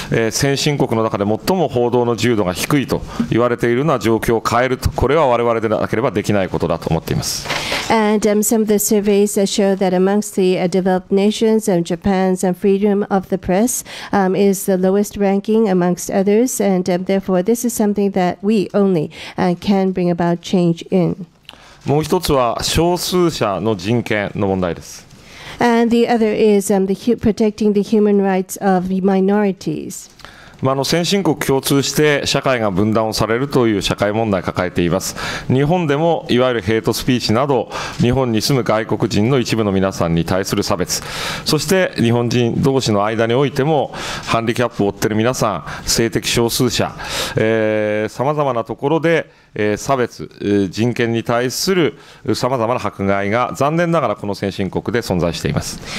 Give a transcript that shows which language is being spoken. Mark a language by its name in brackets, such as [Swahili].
[Japanese] 先進国の中で最も報道の自由度が低いと言われているような状況を変えると、これは我々でなければできないことだと思っています。 [English] And、some of the surveys show that amongst the developed nations and Japan's freedom of the press、is the lowest ranking amongst others and、therefore this is something that we only、can bring about change in。 [Japanese] もう一つは少数者の人権の問題です。 [English] And the other is、the protecting the human rights of minorities. [Japanese] まあ、先進国共通して社会が分断をされるという社会問題を抱えています。日本でもいわゆるヘイトスピーチなど、日本に住む外国人の一部の皆さんに対する差別、そして日本人同士の間においてもハンディキャップを負っている皆さん、性的少数者、さまざまなところで差別、人権に対するさまざまな迫害が残念ながらこの先進国で存在しています。